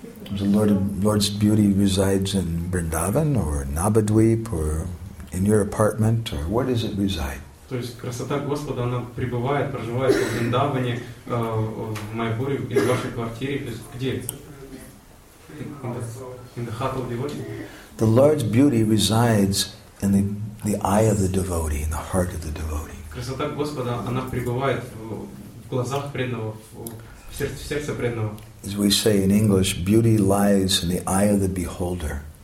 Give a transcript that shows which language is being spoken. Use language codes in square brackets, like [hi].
[en] The Lord's beauty resides in Vrindavan or Nabadweep or in your apartment or where does it reside? [ru] То есть красота Господа она пребывает, проживает в Вриндаване, в Майпуре, в вашей квартире, то есть где? [en] In the heart of devotee. The Lord's beauty resides in the eye of the devotee, in the heart of the devotee. [ru] Красота Господа она пребывает в глазах преданного, в сердце преданного. [en] As we say in English, beauty lies in the eye of the beholder.